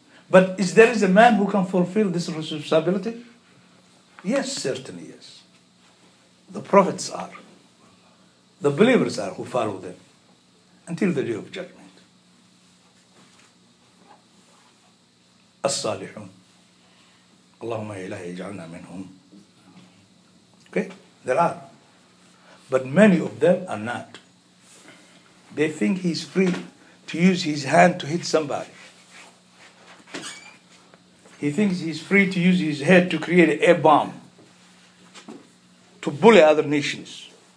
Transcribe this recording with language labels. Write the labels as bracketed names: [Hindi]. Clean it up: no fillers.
[English] But is there a man who can fulfill this responsibility? Yes, certainly yes. The prophets are. The believers are who follow them until the day of judgment. [Arabic] الصالحون اللهم إلهي اجعلنا منهم. [English] Okay, there are, but many of them are not. they think he's free to use his hand to hit somebody. He thinks he's free to use his head to create an air bomb, to bully other nations.